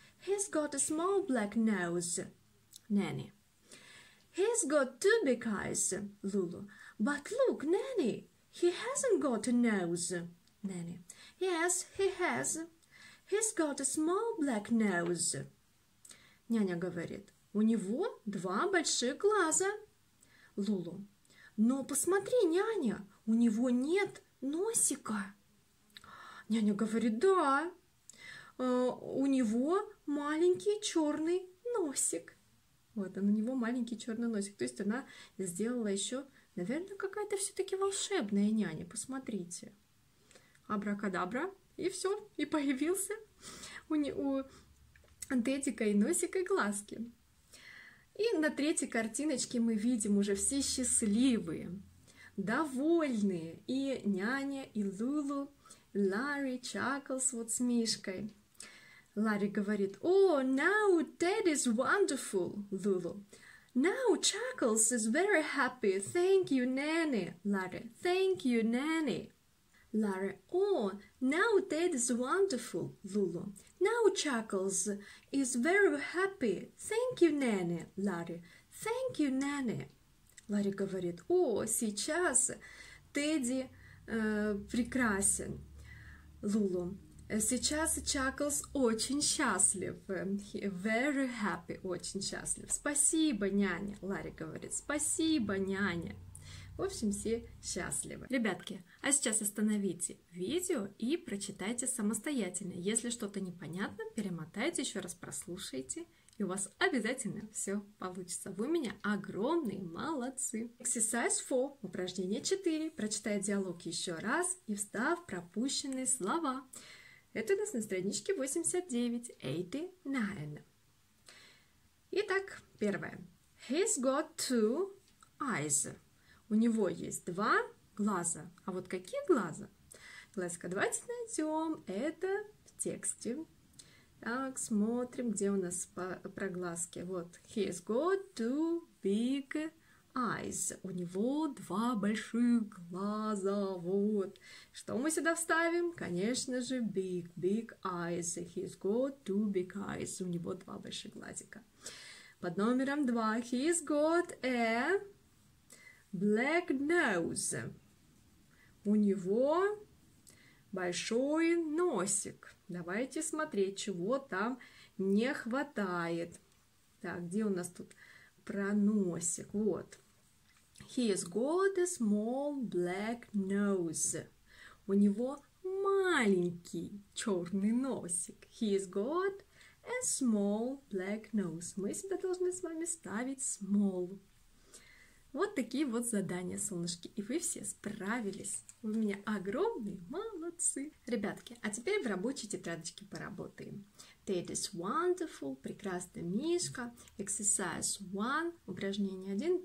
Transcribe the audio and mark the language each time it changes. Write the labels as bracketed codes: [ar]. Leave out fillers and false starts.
[en] He's got a small black nose. Нэнни. He's got two big eyes. Лулу. But look, Нэнни. He hasn't got a nose. Нэнни. Yes, he has. He's got a small black nose. [ru] Няня говорит, у него два больших глаза. Лулу. Но посмотри, няня, у него нет носика. Няня говорит, да, у него маленький черный носик. Вот, он у него маленький черный носик. То есть она сделала еще, наверное, какая-то все-таки волшебная няня. Посмотрите. Абракадабра. И все, и появился у Тедика и носика, и глазки. И на третьей картиночке мы видим уже все счастливые, довольные. И няня, и Лулу, и Ларри, Чаклс вот с Мишкой. Ларри говорит, [en] «Oh, now Ted is wonderful, Lulu. Now Chuckles is very happy. Thank you, Nanny, Ларри. Thank you, Nanny». Ларри, «Oh, now Ted is wonderful, Lulu. Now Chuckles is very happy. Thank you, Nanny, Ларри. Thank you, Nanny». [ru] Ларри говорит, «О, сейчас Тедди прекрасен, Лулу. Сейчас Чаклс очень счастлив. [en] Very happy, [ru] очень счастлив. Спасибо, няня», Ларри говорит. «Спасибо, няня». В общем, все счастливы. Ребятки, а сейчас остановите видео и прочитайте самостоятельно. Если что-то непонятно, перемотайте, еще раз прослушайте, и у вас обязательно все получится. Вы у меня огромные молодцы. [en] Exercise 4, [ru] упражнение 4. Прочитай диалог еще раз и вставь пропущенные слова. Это у нас на страничке 89. Итак, первое. [en] He's got two eyes. [ru] У него есть два глаза. А вот какие глаза? Глазка, давайте найдем. Это в тексте. Так, смотрим, где у нас про глазки. [en] Вот, he's got two big eyes. [ru] У него два больших глаза. Вот, что мы сюда вставим? Конечно же, [en] big, big eyes. He's got two big eyes. [ru] У него два больших глазика. Под номером два. [en] He's got a black nose. [ru] У него большой носик. Давайте смотреть, чего там не хватает. Так, где у нас тут про носик? Вот. [en] He's got a small black nose. [ru] У него маленький черный носик. [en] He's got a small black nose. [ru] Мы всегда должны с вами ставить small. Вот такие вот задания, солнышки. И вы все справились. Вы у меня огромные молодцы. Ребятки, а теперь в рабочей тетрадочке поработаем. [en] Ted is wonderful. [ru] Прекрасный мишка. [en] Exercise 1. [ru] Упражнение 1.